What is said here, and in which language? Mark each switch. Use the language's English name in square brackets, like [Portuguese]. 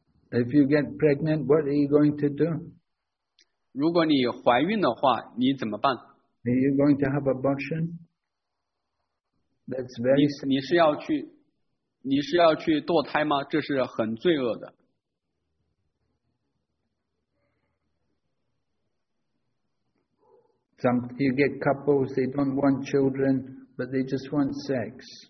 [English] If you get pregnant, what are you going to do? [Chinese] 如果你怀孕的话，你怎么办？ [English] Are you going to have abortion? That's very [Chinese] 你是要去堕胎吗？这是很罪恶的。 [English] Some you get couples, they don't want children, but they just want sex.